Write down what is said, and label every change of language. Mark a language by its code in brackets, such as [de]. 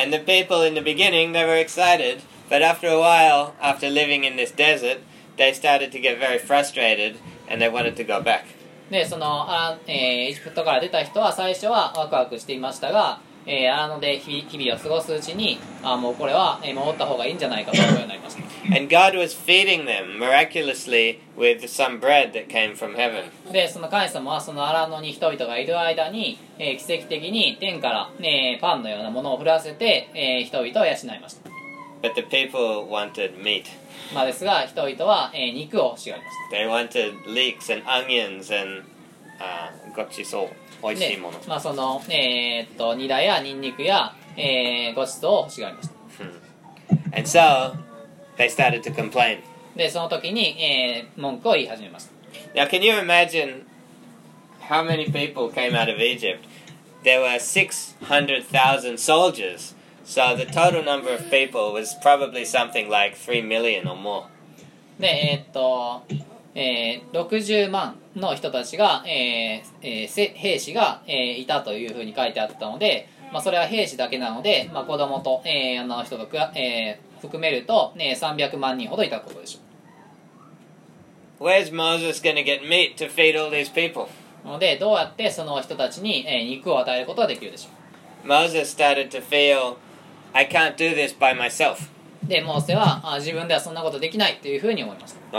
[en] And the people in the beginning they were excited, but after a while, after living in this desert, they started to get very frustrated and they wanted to go back. [ja] で、その、エジプトから出た人は最初はワクワクしていましたが、あので日々を過ごすうちに、あ、もうこれは戻った方がいいんじゃないかというようになりました。 [en] And God was feeding them miraculously with some bread that came from heaven. [ja] で、その神様はその荒野に人々がいる間に、奇跡的に天から、パンのようなものを降らせて、人々を養いました。 [en] But the people wanted meat. [ja] まあですが、人々は、肉を欲しがりました。 [en] They wanted leeks and onions and、 [ja] ごちそう。美味しいもの。まあ、その、ニラやニンニクや、ごちそうを欲しがりました。 [en] And so, they started to complain. [ja] で、その時に、文句を言い始めました。 [en] Now, can you imagine how many people came out of Egypt? There were 600,000 soldiers, so the total number of people was probably something like 3 million or more. [ja] で、60万の人たちが、兵士が、いたというふうに書いてあったので、まあ、それは兵士だけなので、まあ、子供と、あの人と、含めると、300万人ほどいたことでしょう。 [en] Where's Moses gonna get meat to feed all these people? [ja] なのでどうやってその人たちに、肉を与えることができるでしょう。 [en] Moses started to feel I can't do this by myself. [ja] で、モーセは自分ではそんなことできないというふうに思いました。